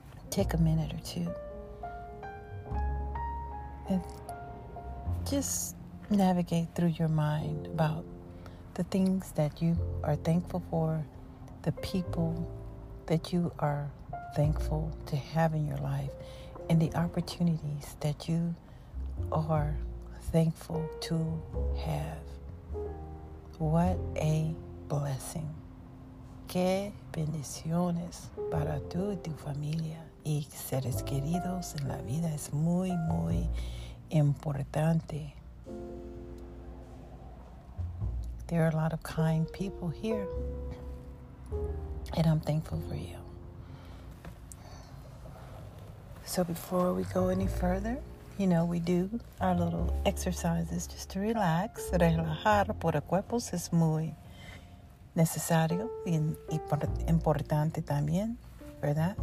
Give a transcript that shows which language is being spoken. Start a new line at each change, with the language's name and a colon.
English: Take a minute or two and just navigate through your mind about the things that you are thankful for, the people that you are thankful to have in your life, and the opportunities that you are thankful to have. What a blessing.
Spanish: Qué bendiciones para tú y tu familia y seres queridos en la vida. Es muy, muy importante.
English: There are a lot of kind people here. And I'm thankful for you. So before we go any further, you know, we do our little exercises just to relax.
Spanish: Relajar por cuerpos es muy necesario y importante también, ¿verdad?